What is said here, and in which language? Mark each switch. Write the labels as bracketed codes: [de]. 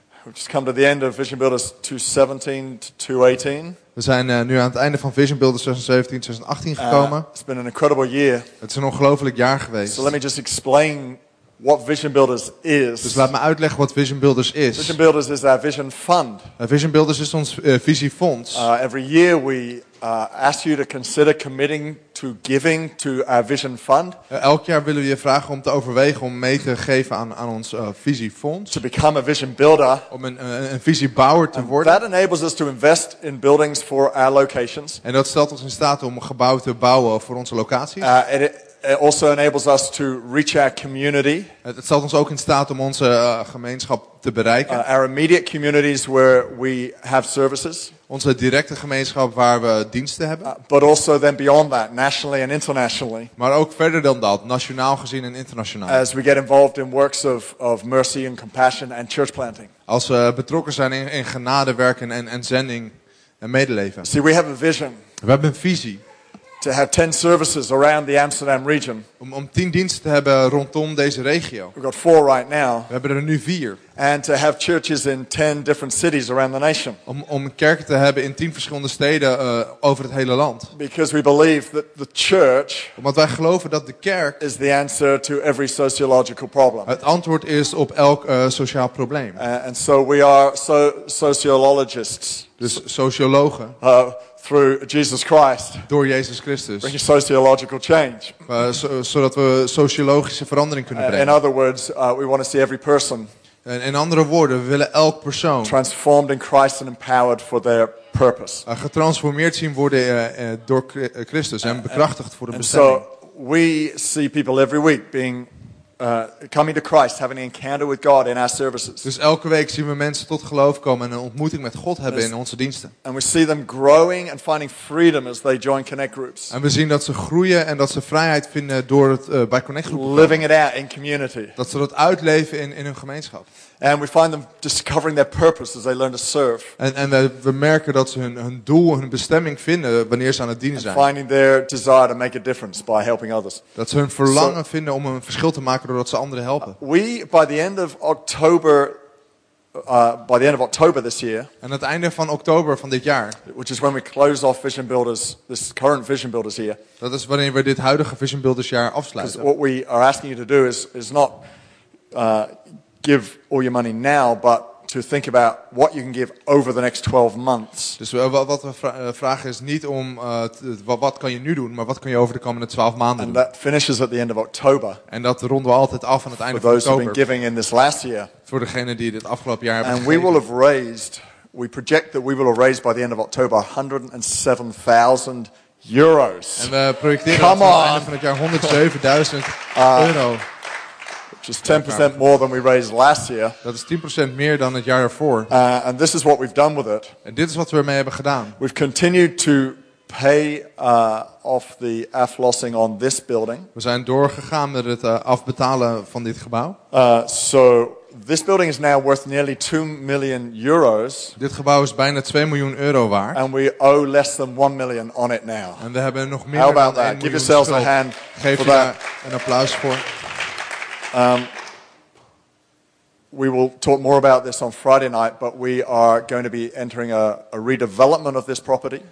[en] We've just come to the end of Vision Builders 2017 to 2018. [nl] We zijn nu aan het einde van Vision Builders 2017-2018 gekomen. [en] It's been an incredible year. [nl] Het is een ongelooflijk jaar geweest. [en] So let me just explain what Vision Builders is. [nl] Dus laat me uitleggen wat Vision Builders is. [en] Vision Builders is our vision fund. [nl] Vision Builders is ons visiefonds. [en] Every year we ask you to consider committing to giving to our vision fund. [nl] Elk jaar willen we je vragen om te overwegen om mee te geven aan ons visiefonds. [en] To become a vision builder. [nl] Om een visiebouwer te worden. [en] That enables us to invest in buildings for our locations. [nl] En dat stelt ons in staat om een gebouw te bouwen voor onze locaties. [en] It also enables us to reach our community. [nl] Het stelt ons ook in staat om onze gemeenschap te bereiken. [en] Our immediate communities where we have services. [nl] Onze directe gemeenschap waar we diensten hebben. [en] But also then beyond that, nationally and internationally. [nl] Maar ook verder dan dat, nationaal gezien en internationaal. [en] As we get involved in works of mercy and compassion and church planting. [nl] Als we betrokken zijn in genade werken en zending en medeleven. [en] See, we have a vision. [nl] We hebben een visie. [en] To have 10 services around the Amsterdam region. [nl] Om 10 diensten te hebben rondom deze regio. [en] We've got 4 right now. [nl] We hebben er nu 4. [en] And to have churches in 10 different cities around the nation. [nl] Om kerken te hebben in 10 verschillende steden over het hele land. [en] Because we believe that the church. [nl] Omdat wij geloven dat de kerk. [en] Is the answer to every sociological problem. [nl] Het antwoord is op elk sociaal probleem. [en] And so we are sociologists. [nl] Dus sociologen. [en] Through Jesus Christ. [nl] Door Jezus Christus. [en] Bring sociological change. [nl] Zodat we sociologische verandering kunnen brengen. [en] In other words, we want to see every person. [nl] In andere woorden, we willen elk persoon. [en] Transformed in Christ and empowered for their purpose. [nl] Getransformeerd zien worden door Christus en bekrachtigd voor de bestemming. [en] So we see people every week being coming to Christ, having an encounter with God in our services. [nl] Dus elke week zien we mensen tot geloof komen en een ontmoeting met God hebben in onze diensten. [en] And we see them growing and finding freedom as they join connect groups. [nl] En we zien dat ze groeien en dat ze vrijheid vinden door het bij connect groepen. [en] Living it out in community. [nl] Dat ze dat uitleven in hun gemeenschap. [en] And we find them discovering their purpose as they learn to serve. [nl] En we merken dat ze hun doel, hun bestemming vinden wanneer ze aan het dienen zijn. [en] And finding their desire to make a difference by helping others. [nl] Dat ze hun verlangen vinden om een verschil te maken doordat ze anderen helpen. [en] We by the end of October by the end of October this year. [nl] En het einde van oktober van dit jaar. [en] Which is when we close off Vision Builders, this current Vision Builders year. [nl] Dat is wanneer we dit huidige Vision Builders jaar afsluiten. [en] Because what we are asking you to do is not give all your money now, but to think about what you can give over the next 12 months. [nl] Dus wat we vragen is niet om wat kan je nu doen, maar wat kan je over de komende 12 maanden doen. [en] And that finishes at the end of October. [nl] En dat ronden we altijd af aan het einde van oktober. [en] For those who've been giving in this last year. [nl] Voor degene die dit afgelopen jaar hebben gegeven. [en] And we will have raised, we project that we will have raised by the end of October 107,000 euros. [nl] En we projecteren dat we aan het einde van het jaar 107.000 euro. [en] Which is 10% more than we raised last year. [nl] Dat is 10% meer dan het jaar ervoor. [en] And this is what we've done with it. [nl] En dit is wat we ermee hebben gedaan. [en] We've continued to pay off the aflossing on this building. [nl] We zijn doorgegaan met het afbetalen van dit gebouw. [en] So this building is now worth nearly 2 million euros. [nl] Dit gebouw is bijna 2 miljoen euro waard. [en] And we owe less than 1 million on it now. [nl] En we hebben nog meer. [en] How about that? Give yourselves a hand. [nl] Geef [en] for that. [nl] Een applaus voor. [en] We will talk more about this on Friday night, but we are going to be entering a redevelopment of this property.